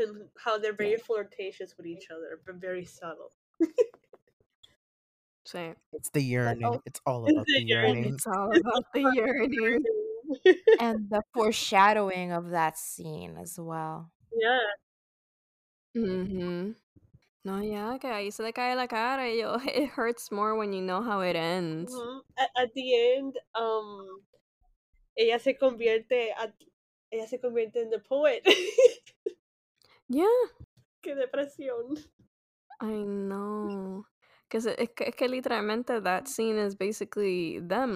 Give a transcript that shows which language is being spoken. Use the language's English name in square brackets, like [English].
[English] And how they're very, yeah, flirtatious with each other, but very subtle. [Spanish] Sí. [English] It's the yearning. It's all about the yearning. It's all about the yearning. And the foreshadowing of that scene as well. Yeah. Mm-hmm. [Spanish] No, yeah, que ahí se le cae la cara. [English] Yo, it hurts more when you know how it ends. Mm-hmm. At the end, [Spanish] ella se convierte [English] in the poet. Yeah. [Spanish] Qué depresión. [English] I know. Because it [Spanish] literalmente, [English] that scene is basically them.